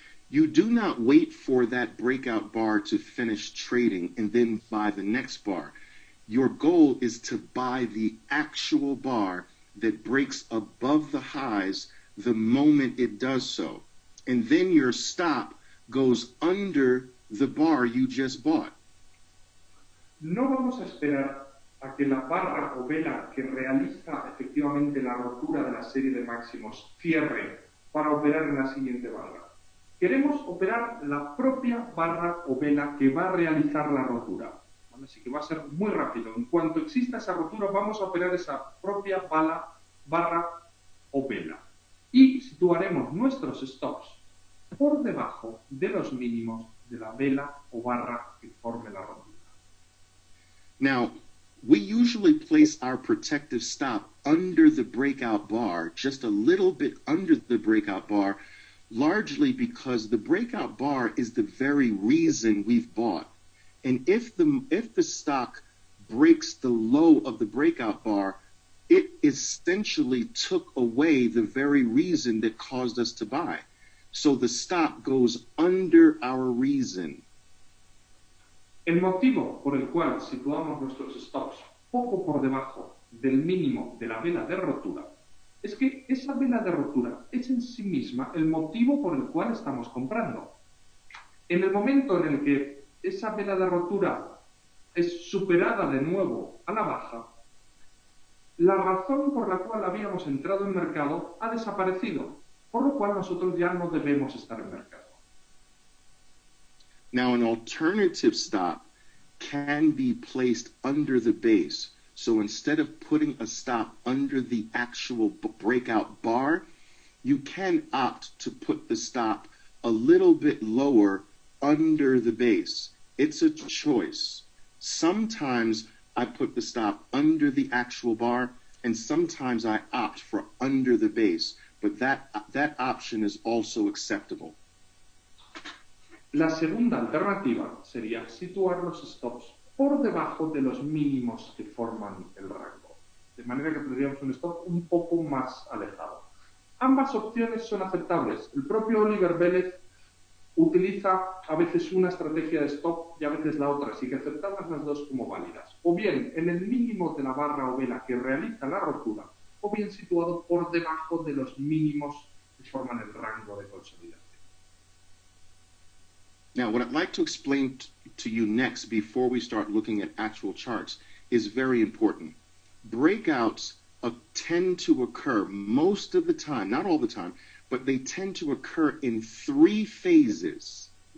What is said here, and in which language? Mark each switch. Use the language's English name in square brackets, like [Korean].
[English] You do not wait for that breakout bar to finish trading and then buy the next bar. Your goal is to buy the actual bar that breaks above the highs the moment it does so. And then your stop goes under the bar you just bought. [Spanish] No vamos a esperar a que la barra o vela que realiza efectivamente la rotura de la serie de máximos cierre para operar en la siguiente barra. Queremos operar la propia barra o vela que va a realizar la rotura. ¿Vale? Así que va a ser muy rápido. En cuanto exista esa rotura, vamos a operar esa propia bala, barra o vela. Y situaremos nuestros stops por debajo de los mínimos de la vela o barra que forme la rotura. [English] Now, we usually place our protective stop under the breakout bar, just a little bit under the breakout bar, largely because the breakout bar is the very reason we've bought. And if the stock breaks the low of the breakout bar, it essentially took away the very reason that caused us to buy. So the stop goes under our reason. [Spanish] El motivo por el cual situamos nuestros stops poco por debajo del mínimo de la vela de rotura es que esa vela de rotura es en sí misma el motivo por el cual estamos comprando. En el momento en el que esa vela de rotura es superada de nuevo a la baja, la razón por la cual habíamos entrado en mercado ha desaparecido, por lo cual nosotros ya no debemos estar en mercado. [English] Now, an alternative stop can be placed under the base. So instead of putting a stop under the actual breakout bar, you can opt to put the stop a little bit lower under the base. It's a choice. Sometimes I put the stop under the actual bar, and sometimes I opt for under the base. But that option is also acceptable. [Spanish] La segunda alternativa sería situar los stops por debajo de los mínimos que forman el rango, de manera que tendríamos un stop un poco más alejado. Ambas opciones son aceptables. El propio Oliver Vélez utiliza a veces una estrategia de stop y a veces la otra, así que aceptamos las dos como válidas. O bien en el mínimo de la barra o vela que realiza la rotura, o bien situado por debajo de los mínimos que forman el rango de consolidación. [English] Now, what I'd like to explain to you next before we start looking at actual charts is very important. Breakouts tend to occur most of the time, not all the time, but they tend to occur in three phases.